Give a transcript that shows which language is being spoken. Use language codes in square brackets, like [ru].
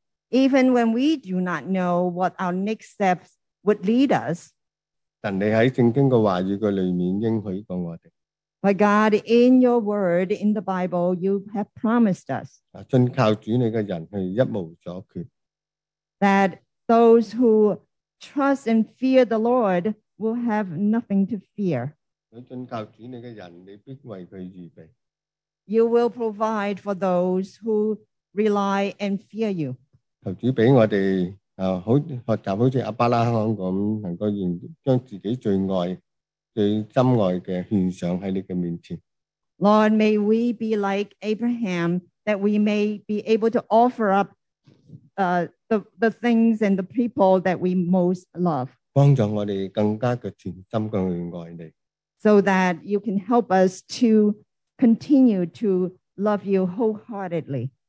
[en] Even when we do not know what our next steps would lead us, but God, in your word, in the Bible, you have promised us that those who trust and fear the Lord will have nothing to fear. You will provide for those who rely and fear you. [yue] 学习好似阿巴拉罕咁，能够愿将自己最爱、最珍爱嘅献上喺你嘅面前。 [en] Lord, may we be like Abraham, that we may be able to offer up the things and the people that we most love. [yue] 帮助我哋更加嘅全心咁去爱你。 [en] So that you can help us to continue to love you wholeheartedly.